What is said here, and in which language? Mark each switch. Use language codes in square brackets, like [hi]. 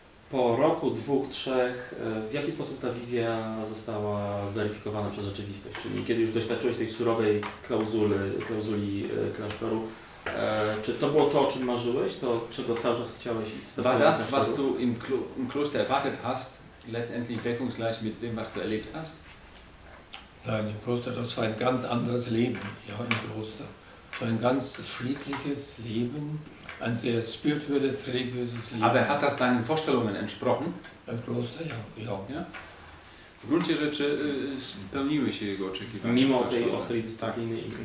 [pl] Po roku, dwóch, trzech, w jaki sposób ta wizja została zweryfikowana przez rzeczywistość? Czyli kiedy już doświadczyłeś tej surowej klauzuli, klauzuli klasztoru, czy to było to, o czym marzyłeś, to czego cały czas chciałeś wstąpić? [de] Das, was du im, im Kloster erwartet hast, letztendlich deckungsgleich mit dem, was du erlebt hast? Nein, im Kloster, das war ein ganz anderes Leben, ja, im Kloster. So ein ganz friedliches Leben, ein sehr spirituelles, religiöses Leben. Aber hat das deinen Vorstellungen entsprochen? Im Kloster, ja, ja. Ja? [pl] W gruncie rzeczy spełniły się jego oczekiwania. Mimo tej ostrej dyscypliny.